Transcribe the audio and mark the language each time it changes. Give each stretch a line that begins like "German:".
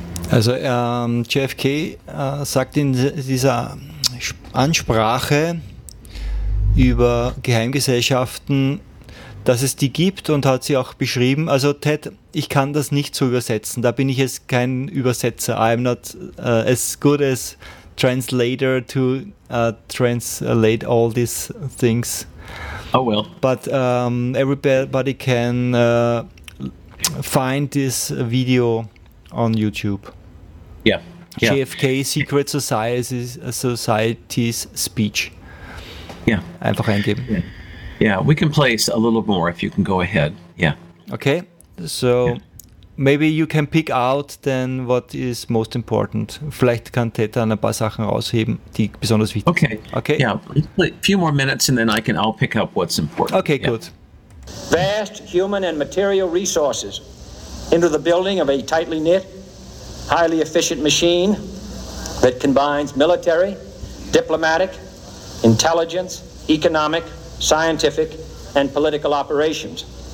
German: Also JFK sagt in dieser Ansprache über Geheimgesellschaften, dass es die gibt und hat sie auch beschrieben. Also Ted, ich kann das nicht so übersetzen. Da bin ich jetzt kein Übersetzer.
English: I'm not as good as translator to translate all these things. Oh well. But everybody can find this video on YouTube. Yeah. JFK Secret Society's speech. Yeah.
German: Einfach eingeben.
English: Yeah, we can play a little more if you can go ahead. Yeah. Okay. So maybe you can pick out then what is most important.
German: Vielleicht kann Teta ein paar Sachen rausheben, die besonders wichtig sind. Okay. Okay. Yeah.
English: A few more minutes and then I'll pick up what's important. Okay, yeah. Good. Vast human and material resources into the building of a tightly knit, highly efficient machine that combines military, diplomatic, intelligence, economic, scientific, and political operations.